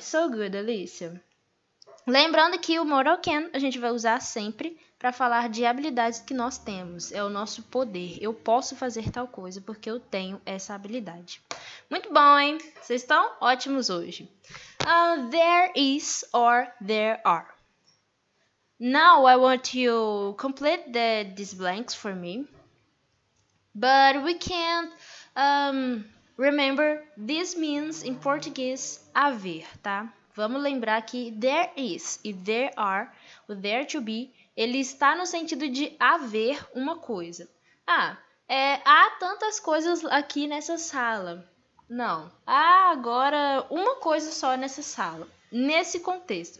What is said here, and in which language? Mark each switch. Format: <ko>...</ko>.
<en>So good, Alicia.</en> <pt>Lembrando que o modal can a gente vai usar sempre para falar de habilidades que nós temos. É o nosso poder. Eu posso fazer tal coisa porque eu tenho essa habilidade. Muito bom, hein? Vocês estão ótimos hoje.</pt> <en>There is or there are. Now I want you to complete these blanks for me. But we can't remember this means in Portuguese haver, tá?</en> <pt>Vamos lembrar que there is e there are, o there to be, ele está no sentido de haver uma coisa. Ah, há tantas coisas aqui nessa sala. Não. Há agora uma coisa só nessa sala, nesse contexto.</pt>